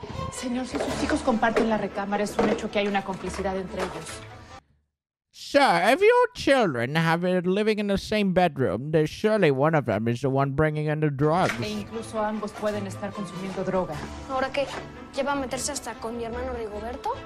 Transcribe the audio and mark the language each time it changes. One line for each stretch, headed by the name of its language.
Spanish: Señor, si sus hijos comparten la recámara, es un hecho que hay una complicidad entre ellos.
English: Sir, if your children have been living in the same bedroom, then surely one of them is the one bringing in the drugs.
Spanish: E incluso ambos pueden estar consumiendo droga. ¿Ahora qué? ¿Lleva a meterse hasta con mi hermano Rigoberto?